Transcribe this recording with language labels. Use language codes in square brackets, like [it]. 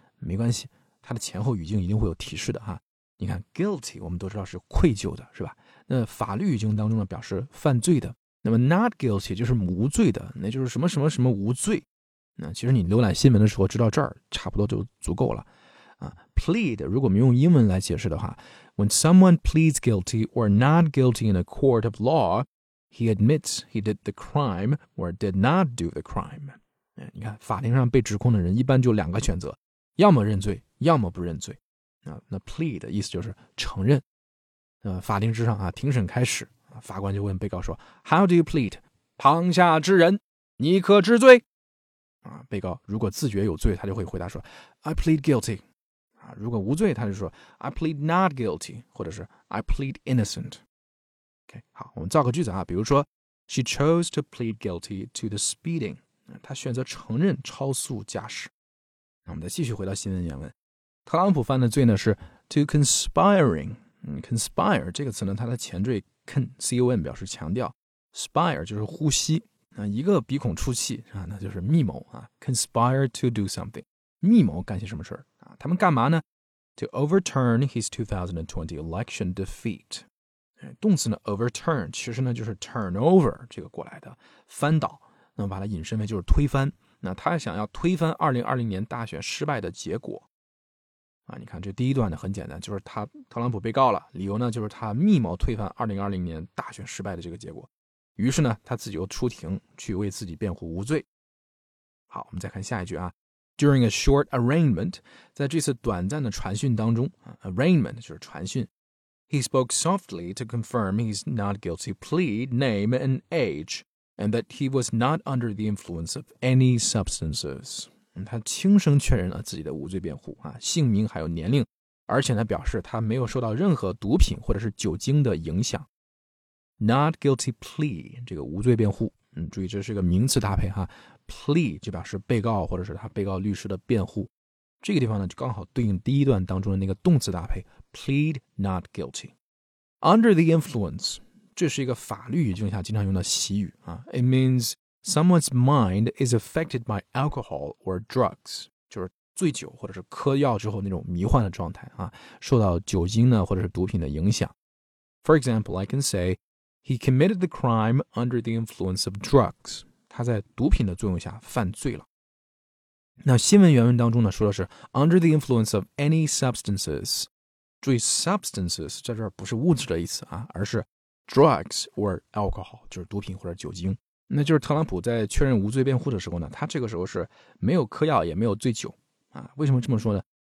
[zh] 没关系，它的前后语境一定会有提示的哈。你看 guilty 我们都知道是愧疚的是吧，那法律语境当中呢表示犯罪的，那么 not guilty 就是无罪的，那就是什么什么什么无罪。那其实你浏览新闻的时候知道这儿差不多就足够了啊。 plead 如果我们用英文来解释的话， [en] when someone pleads guilty or not guilty in a court of law, he admits he did the crime or did not do the crime。 [zh] 你看法庭上被指控的人一般就两个选择，要么认罪要么不认罪。那 plead 的意思就是承认。法庭之上啊，庭审开始，法官就问被告说 [en] How do you plead? [zh] 旁下之人，你可知罪？啊，被告如果自觉有罪，他就会回答说 [en] I plead guilty。 [zh] 啊，如果无罪，他就说 [en] I plead not guilty， [zh] 或者是 [en] I plead innocent。 [zh] OK， 好，我们造个句子啊，比如说 [en] She chose to plead guilty to the speeding。 [zh] 她选择承认超速驾驶。那我们再继续回到新闻原文，特朗普犯的罪呢是 [en] to conspiring。 [zh] conspire 这个词呢，它的前缀 con 表示强调， spire 就是呼吸，一个鼻孔出气，那就是密谋啊。 [en] conspire to do something， [zh] 密谋干些什么事啊？他们干嘛呢？ [en] to overturn his 2020 election defeat。 [zh] 动词呢 overturn 其实呢就是 turn over 这个过来的翻倒，那么把它引申为就是推翻，那他想要推翻2020年大选失败的结果啊。你看这第一段呢很简单，就是他特朗普被告了，理由呢就是他密谋推翻2020年大选失败的这个结果，于是呢他自己又出庭去为自己辩护无罪。好，我们再看下一句啊。 [en] During a short arraignment， [zh] 在这次短暂的传讯当中， [en] arraignment [zh] 就是传讯， [en] He spoke softly to confirm his not guilty plea, name and age, and that he was not under the influence of any substances。 [zh] 他轻声确认了自己的无罪辩护啊，姓名还有年龄，而且他表示他没有受到任何毒品或者是酒精的影响。 [en] Not guilty plea [zh] 这个无罪辩护，注意这是个名词搭配哈， plea 就表示被告或者是他被告律师的辩护，这个地方呢就刚好对应第一段当中的那个动词搭配 [en] plead not guilty. Under the influence, [zh] 这是一个法律语境下经常用的习语、啊、 [en] It means someone's mind is affected by alcohol or drugs, [zh] 就是醉酒或者是嗑药之后那种迷幻的状态、啊、受到酒精呢或者是毒品的影响。 [en] For example, I can say, he committed the crime under the influence of drugs. [zh] 他在毒品的作用下犯罪了。那新闻原文当中呢说的是 [en] under the influence of any substances. [zh] 注意 substances 在这儿不是物质的意思啊，而是 [en] drugs or alcohol, [zh] 就是毒品或者酒精。那就是特朗普在确认无罪辩护的时候呢，他这个时候是没有嗑药也没有醉酒。啊、为什么这么说呢？